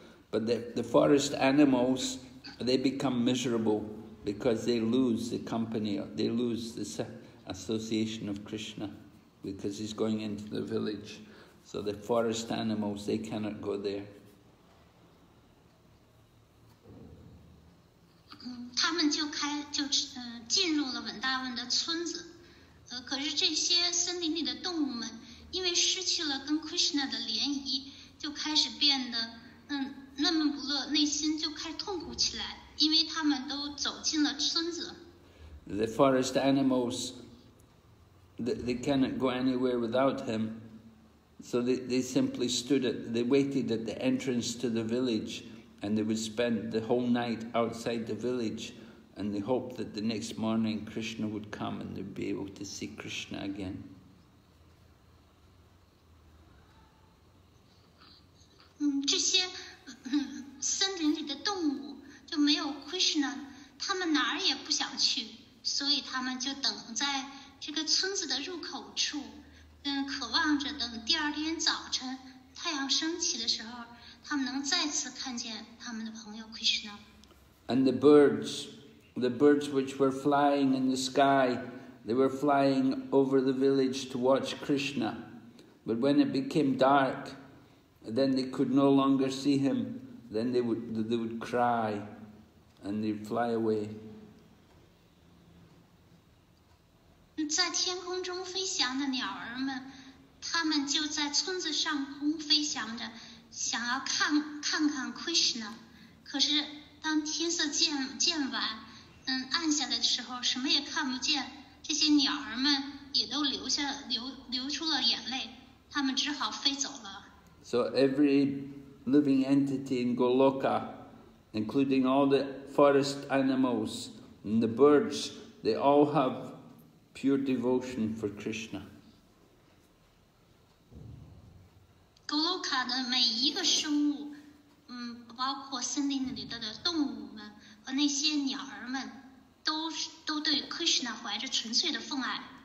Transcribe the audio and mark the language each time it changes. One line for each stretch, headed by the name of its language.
English: But the forest animals, they become miserable because they lose the company, they lose the association of Krishna because he's going into the village. So the forest animals, they cannot go there.
Chinese: 他们就开就进入了文达文的村子，可是这些森林里的动物们因为失去了跟 Krishna 的联谊，就开始变得闷闷不乐，内心就开始痛苦起来，因为他们都走进了村子。
English: The forest animals, they cannot go anywhere without him, so they simply stood at, they waited at the entrance to the village, and they would spend the whole night outside the village, and they hoped that the next morning Krishna would come and they'd be able to see Krishna again.
Chinese: 这些森林里的动物就没有 Krishna, 他们哪儿也不想去。所以他们就等在这个村子的入口处，渴望着等第二天早晨太阳升起的时候，他们能再次看见他们的朋友 Krishna。
English: And the birds which were flying in the sky, they were flying over the village to watch Krishna. But when it became dark, then they could no longer see him. Then they would cry, and they'd fly away.
Chinese: 在天空中飞翔的鸟儿们，他们就在村子上空飞翔着，想要看看 Krishna。可是当天色渐晚，暗下来的时候，什么也看不见。这些鸟儿们也都流出了眼泪，他们只好飞走了。
English: So every living entity in Goloka, including all the forest animals and the birds, they all have. Pure devotion for Krishna.
Chinese: Goloka 的每一个生物，包括森林里的动物们和那些鸟儿们，都对 Krishna 怀着纯粹的奉爱。